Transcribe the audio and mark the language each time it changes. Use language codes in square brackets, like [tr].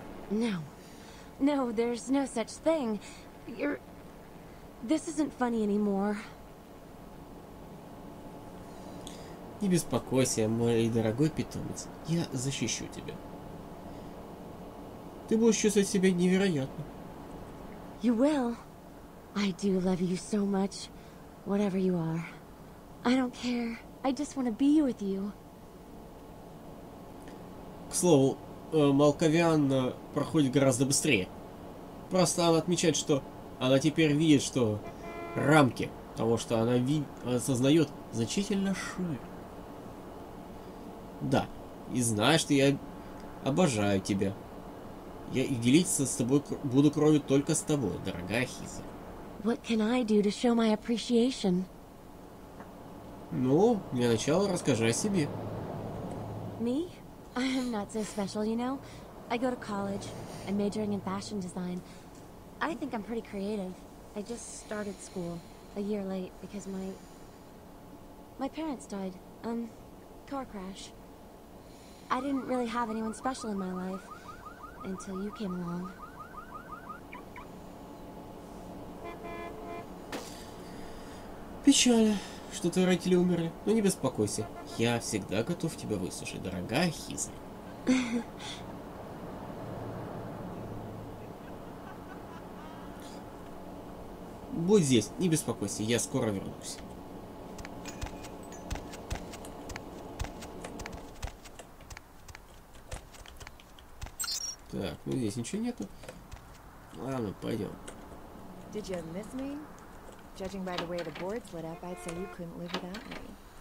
[en] No. No, there's no such thing. You're... This isn't funny anymore. [ru] Не беспокойся, мой дорогой питомец. Я защищу тебя. Ты будешь чувствовать себя невероятно. [en] You will. I do love you so much, whatever you are. I don't care. I just want to be with you. [ru] К слову, Малкавиан проходит гораздо быстрее. Просто она отмечает, что она теперь видит, что рамки того, что она осознает, значительно шире. Да, и знаешь, что я обожаю тебя. Я и делиться с тобой буду кровью только с тобой, дорогая Хиза. [en] What can I do to show my appreciation? [ru] Ну, для начала расскажи о себе. [en] Me? I'm not so special, you know. I go to college. I'm majoring in fashion design. I think I'm pretty creative. I just started school a year late because my parents died. Car crash. I didn't really have anyone special in my life until you came along. [ru] Печаль, что твои родители умерли. Но не беспокойся, я всегда готов тебя выслушать, дорогая Хиза. Будь здесь, не беспокойся, я скоро вернусь. Так, ну здесь ничего нету. Ладно, пойдем. [en] Did you miss me? Judging by the way the boards lit up, I'd say you couldn't live without me.